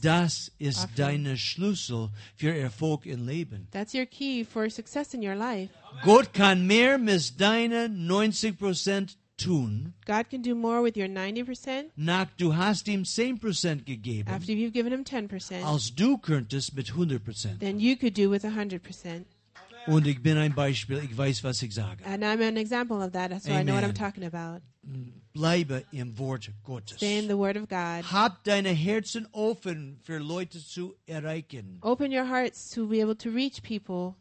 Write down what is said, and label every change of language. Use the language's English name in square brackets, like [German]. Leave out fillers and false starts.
[German] Das ist deine Schlüssel für Erfolg im Leben. [English] That's your key for success in your life. [German] Gott kann mehr mit deiner 90% tun. [English] God can do more with your 90%. [German] Nach du hast ihm 10% gegeben. [English] After you've given him 10%. [German] Als du könntest mit 100%. [English] Then you could do with 100%. [German] Und ich bin ein Beispiel, ich weiß, was ich sage. [English] And I'm an example of that, so amen. I know what I'm talking about. [German] Bleibe im Wort Gottes. [English] Stay in the Word of God. [German] Hab deine Herzen offen für Leute zu erreichen. [English] Open your hearts to be able to reach people.